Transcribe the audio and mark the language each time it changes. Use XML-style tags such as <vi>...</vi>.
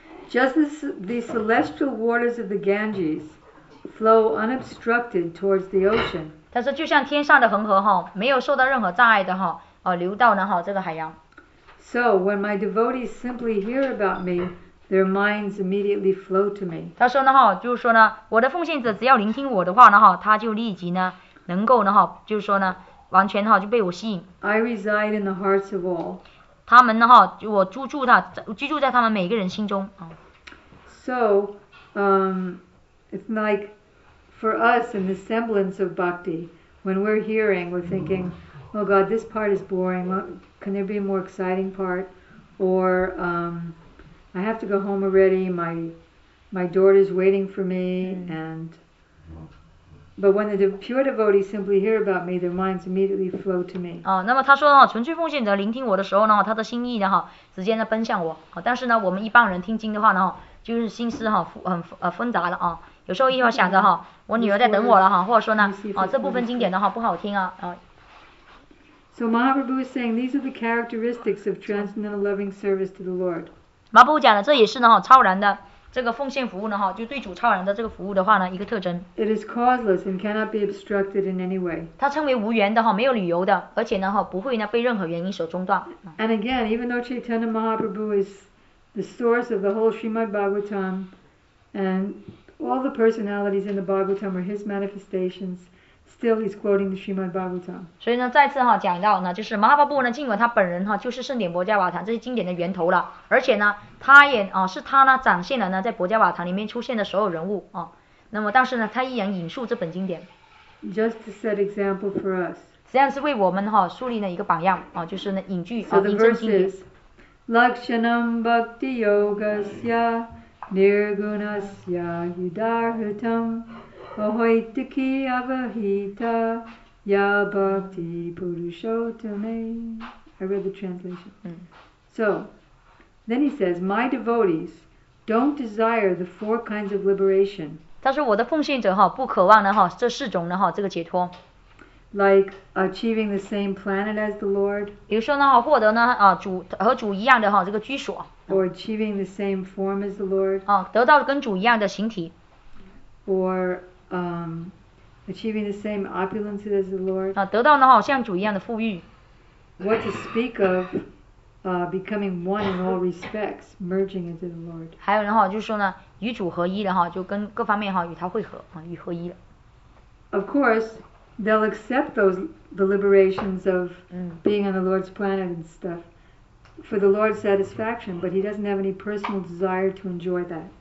<en>Just as the celestial waters of the Ganges flow unobstructed towards the ocean.</en> <zh>他说就像天上的恒河哈，没有受到任何障碍的哈，哦，流到呢哈这个海洋。</zh> <en>So when my devotees simply hear about me, their minds immediately flow to me.</en> <zh>他说呢哈，就是说呢，我的奉献者只要聆听我的话呢哈，他就立即呢能够呢哈，就是说呢，完全哈就被我吸引。</zh> <en>I reside in the hearts of all.</en> <zh>他们呢哈，就我住住他，居住在他们每个人心中啊。</zh> <en>So, it's like. For us, in the semblance of bhakti, when we're hearing, we're thinking, oh God, this part is boring. Can there be a more exciting part? Or, I have to go home already. My daughter's waiting for me. And, but when the pure devotees simply hear about me, their minds immediately flow to me.</en> <zh>哦，那么他说呢，纯粹奉献者聆听我的时候呢，他的心意呢，哈，直接呢奔向我。啊，但是呢，我们一般人听经的话呢，就是心思哈，很纷杂的啊。有时候一会儿想着哈，我女儿在等我了哈，或者说呢，哦，这部分经典的哈不好听啊，啊。</zh> <en>So Mahaprabhu is saying these are the characteristics of transcendental loving service to the Lord.</en> <zh>Mahaprabhu 讲的这也是呢哈超然的这个奉献服务呢哈，就对主超然的这个服务的话呢一个特征。</zh> <en>It is causeless and cannot be obstructed in any way.</en> <zh>它称为无缘的哈，没有理由的，而且呢哈不会呢被任何原因所中断。</zh> <en>And again, even though Chaitanya Mahaprabhu is the source of the whole Srimad Bhagavatam, and all the personalities in the Bhagavatam are his manifestations. Still, he's quoting the Srimad Bhagavatam.</en> <zh>所以呢，再次哈讲到呢，就是马哈巴布呢，尽管他本人哈就是圣典博迦瓦坛这些经典的源头了，而且呢，他也啊是他呢展现了呢在博迦瓦坛里面出现的所有人物啊。那么，但是呢，他依然引述这本经典。</zh> <en>Just to set example for us.</en> <zh>实际上是为我们哈树立了一个榜样啊，就是呢引据啊引证经典。</zh> <en>So the verses, Lakshanam Bhakti Yogasya.</en> <sa>Nirgunasya yudarhutam ahoitiki avahita ya bhakti purushottame.</sa> <en>I read the translation. So, then he says, my devotees don't desire the four kinds of liberation.</en> <zh>他说我的奉献者哈不渴望呢哈这四种呢哈这个解脱。</zh> <en>Like achieving the same planet as the Lord.</en> <zh>比如说呢获得呢啊主和主一样的哈这个居所。</zh> <en>Or achieving the same form as the Lord.</en> <zh>啊，得到跟主一样的形体。</zh> <en>Or achieving the same opulence as the Lord.</en> <zh>啊，得到呢哈像主一样的富裕。</zh> <en>What to speak of, becoming one in all respects, merging into the Lord.</en> <zh>还有呢哈，就是说呢，与主合一了哈，就跟各方面哈与他会合啊，与合一了。</zh> <en>Of course. They'll accept those the liberations of being on the Lord's planet and stuff for the Lord's satisfaction, but he doesn't have any personal desire to enjoy that.</en>